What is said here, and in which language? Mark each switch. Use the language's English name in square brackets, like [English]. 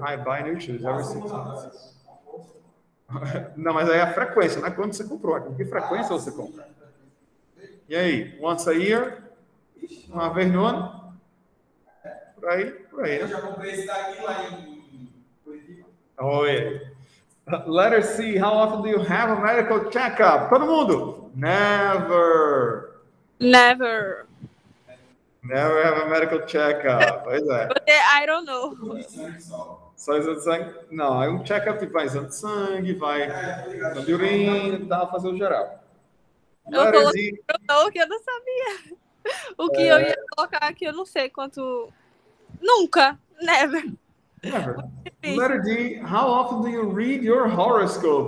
[English] I buy new shoes every 6 months. [Portuguese] Não, mas aí é a frequência, não é quando você comprou. Com que frequência você compra? [English] E aí, once a year? [Portuguese] Uma vez no ano? Por aí, por aí. Eu já comprei esse daqui lá em Curitiba. [English] Oh, yeah. Letter C, how often do you have a medical checkup? [Portuguese] Todo mundo? [English] Never. Never. Never have a medical checkup. [Portuguese] Pois é. [English] But I don't know. [Portuguese] Só exame de sangue? Não, é um checkup que vai exame de sangue, vai de urina, dá pra fazer o geral. Eu não sabia. O que eu ia colocar aqui, eu não sei quanto. Nunca. [English] Never. Never. Letter D, how often do you read your horoscope?